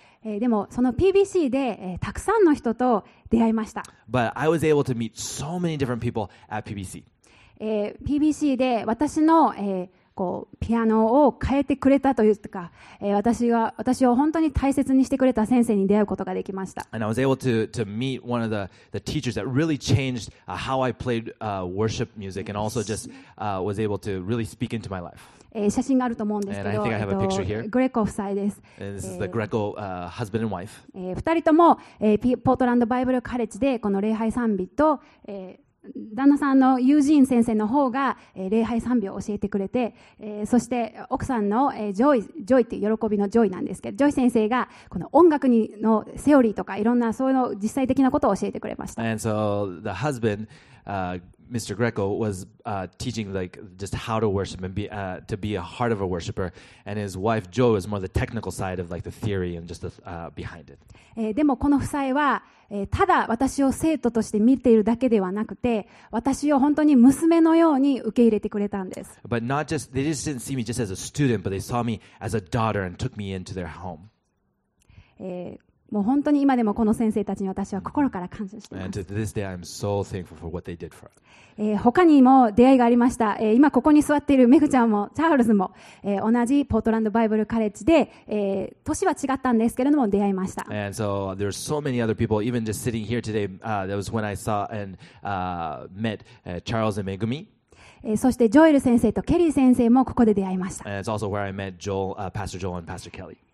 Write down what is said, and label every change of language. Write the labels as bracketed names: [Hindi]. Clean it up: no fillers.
[Japanese] でもその PBC で、たくさんの人と出会いました。 [English] But I was able to meet so many different people at PBC. [Japanese] PBC で私の、こうピアノを変えてくれたというか、私を本当に大切にしてくれた先生に出会うことができました。 [English] And I was able to meet one of the teachers that really changed how I played worship music and also just was able to really speak into my life. [Japanese] 写真があると思うんですけど、グレコ夫妻です。 [English] And this is the Greco, husband and wife. [Japanese] 2人とも、ポートランドバイブルカレッジでこの礼拝賛美と、旦那さんのユージーン先生の方が、礼拝賛美を教えてくれて、そして奥さんの、ジョイって喜びのジョイなんですけど、ジョイ先生がこの音楽にのセオリーとかいろんなそういうの実際的なことを教えてくれました。 [English] And so the husband, Mr. Greco was teaching like just how to worship and to be a heart of a worshipper, and his wife Jo is more the technical side of like the theory and just behind it. [Japanese] でもこの夫妻は、ただ私を生徒として見ているだけではなくて、私を本当に娘のように受け入れてくれたんです。 [English] But not just they just didn't see me just as a student, but they saw me as a daughter and took me into their home. [Japanese] もう本当に今でもこの先生たちに私は心から感謝しています。 [English] And to this day, I'm so thankful for what they did for us. [Japanese] 他にも出会いがありました。今ここに座っているメグちゃんもチャールズも、同じポートランドバイブルカレッジで、年は違ったんですけれども出会いました。 [English] And so there are so many other people, even just sitting here today, that was when I saw and met Charles and Megumi. [Japanese] そしてジョエル先生とケリー先生もここで出会いました。 [English] It's also where I met Joel, Pastor Joel and Pastor Kelly.